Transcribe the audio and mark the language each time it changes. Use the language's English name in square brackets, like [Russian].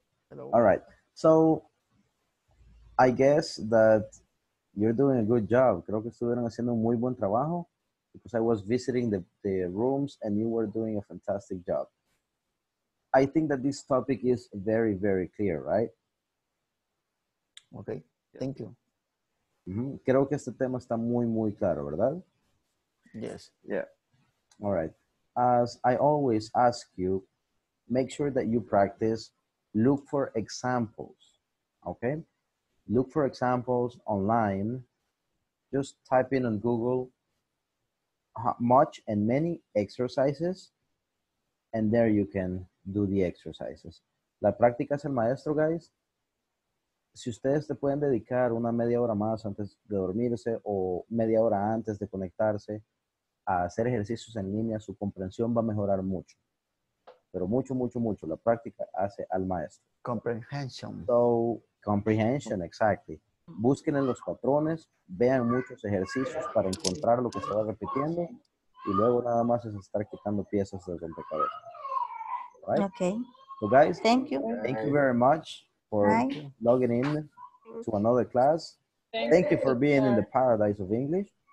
[English] Hello. All right, so I guess that you're doing a good job. [Spanish] Creo que estuvieron haciendo un muy buen trabajo [English] because I was visiting the rooms and you were doing a fantastic job. I think that this topic is very, very clear, right? Okay, thank you. Mm-hmm. [Spanish] Creo que este tema está muy, muy claro, ¿verdad? [English] Yes. Yeah. All right. As I always ask you, make sure that you practice. Look for examples. Okay? Look for examples online. Just type in on Google much and many exercises. And there you can do the exercises. [Spanish] La práctica es el maestro, [English] guys. [Spanish] Si ustedes se pueden dedicar una media hora más antes de dormirse o media hora antes de conectarse, a hacer ejercicios en línea, su comprensión va a mejorar mucho. Pero mucho, mucho, mucho. La práctica hace al maestro. [English] Comprehension. So, comprehension, exactly. [Spanish] Busquen en los patrones, vean muchos ejercicios para encontrar lo que se va repitiendo y luego nada más es estar quitando piezas del rompecabezas. [English] Right? Okay. So, guys, thank you. Thank you very much for logging in to another class. Thank you for being in the paradise of English.